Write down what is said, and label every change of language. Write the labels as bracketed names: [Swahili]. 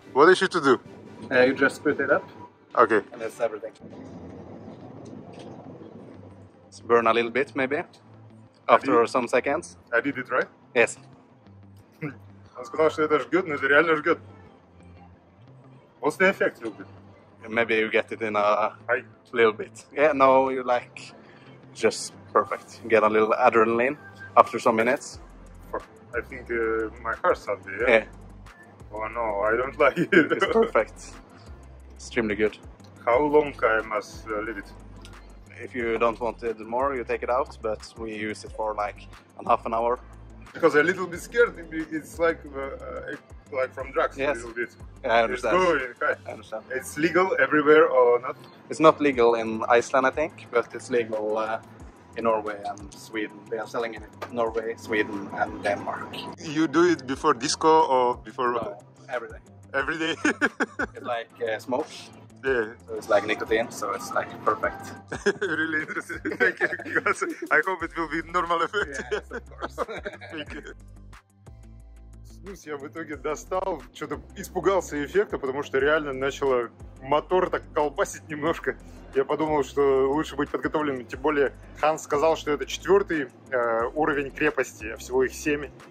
[English] What is it to do? You just put it up. Okay. And that's everything. It's burn a little bit, maybe. After some seconds. I did it, right? Yes. [Russian] Он сказал, что это жгет, но это реально жгет. [English] What's the effect, little bit? Maybe you get it in a little bit. Yeah, no, you like just perfect. Get a little adrenaline after some minutes. I think my heart started, yeah? Yeah. Oh no, I don't like it. It's perfect. Extremely good. How long I must leave it? If you don't want it more, you take it out, but we use it for like a half an hour. Because I'm a little bit scared, it's like from drugs, yes. A little bit. Yeah, I understand. It's going, okay. I understand. It's legal everywhere or not? It's not legal in Iceland, I think, but it's legal in Norway and Sweden. They are selling it in Norway, Sweden and Denmark. You do it before disco or before? No, every day. Every day? It's like smoke. Yeah. So it's like nicotine, so it's like perfect. Really interesting. Thank you. Because I hope it will be normal effect. Yes, of course. Thank you. [Russian] Снюс я в итоге достал, что-то испугался эффекта, потому что реально начало мотор так колбасить немножко. Я подумал, что лучше быть подготовленным. Тем более Ханс сказал, что это четвертый уровень крепости, а всего их 7.